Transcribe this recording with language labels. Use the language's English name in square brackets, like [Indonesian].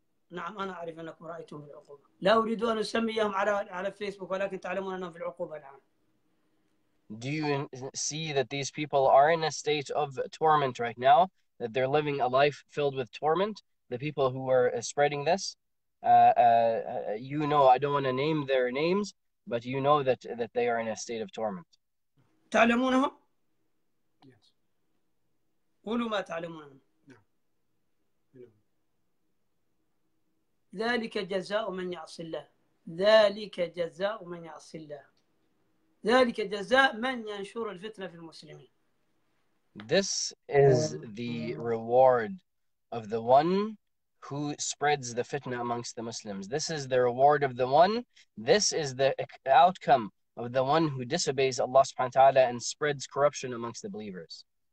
[Arabic] نعم أنا أعرف أنكم رأيتهم في العقوبة. لا أريد أن أسميهم على فيسبوك ولكن تعلمون أنهم في العقوبة الآن. [English] Do you see that these people are in a state of torment right now, that they're living a life filled with torment, the people who are spreading this? I don't want to name their names, but you know that they are in a state of torment. [Arabic] تعلمونهم؟ [English] Yes. [Arabic] قولوا ما تعلمونهم. ذلك جزاء من يعصي الله. ذلك جزاء من يعصي الله. ذلك جزاء من ينشر الفتنة في المسلمين. [English] This is the reward of the one who spreads the fitna amongst the Muslims. This is the reward of the one. This is the outcome of the one who disobeys Allah subhanahu wa ta'ala and spreads corruption amongst the believers.